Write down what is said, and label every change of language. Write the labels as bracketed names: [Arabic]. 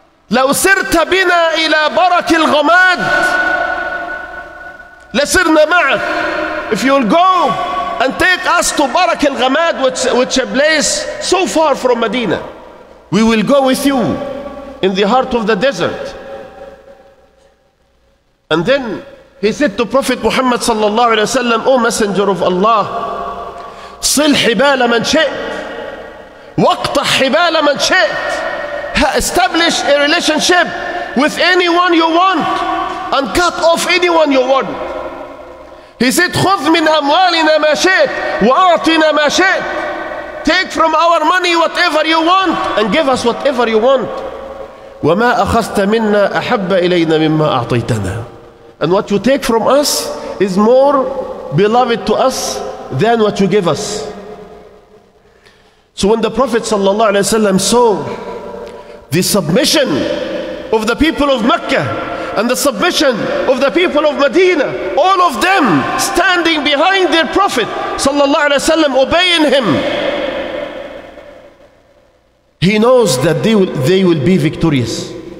[Arabic] لو سرت بنا إلى برك الغماد لسرنا معك. [English] If you will go and take us to Barak al-Ghamad, which a place so far from Medina, we will go with you in the heart of the desert. And then he said to Prophet Muhammad sallallahu alayhi wa sallam, O Messenger of Allah, [Arabic] صل حبال من شئت [English] وقطع حبال من شئت. Establish a relationship with anyone you want and cut off anyone you want. He said, [Arabic] خذ من أموالنا ما شئت وأعطنا ما شئت. [English] Take from our money whatever you want and give us whatever you want. [Arabic] وما أخذت منا أحب إلينا مما أعطيتنا. [English] And what you take from us is more beloved to us than what you give us. So when the Prophet صلى الله عليه وسلم saw the submission of the people of Mecca and the submission of the people of Medina, all of them standing behind their Prophet sallallahu alaihi wasallam, obeying him, he knows that they will be victorious.